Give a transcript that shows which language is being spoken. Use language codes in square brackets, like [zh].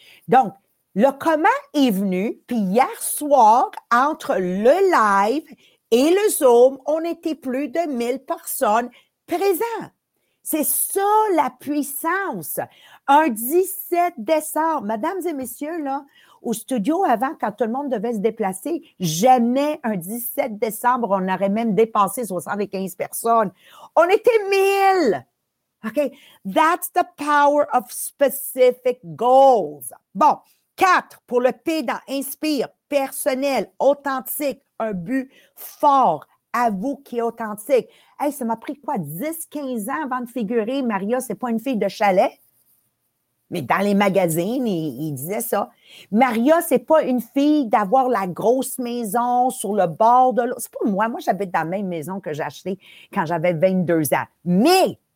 [fr] Donc, le comment est venu, puis hier soir, entre le live et le Zoom, on était plus de 1000 personnes présentes. C'est ça la puissance. Un 17 décembre, mesdames et messieurs, là, au studio avant, quand tout le monde devait se déplacer, jamais un 17 décembre, on aurait même dépassé 75 personnes. On était 1000! OK? [en] That's the power of specific goals. [fr] Bon, 4 pour le P dans Inspire, personnel, authentique, un but fort. À vous qui est authentique. Hey, ça m'a pris quoi, 10-15 ans avant de figurer, Maria, c'est pas une fille de chalet? Mais dans les magazines, il disait ça. Maria, c'est pas une fille d'avoir la grosse maison sur le bord de l'eau. C'est pas moi. Moi, j'habite dans la même maison que j'ai achetée quand j'avais 22 ans. Mais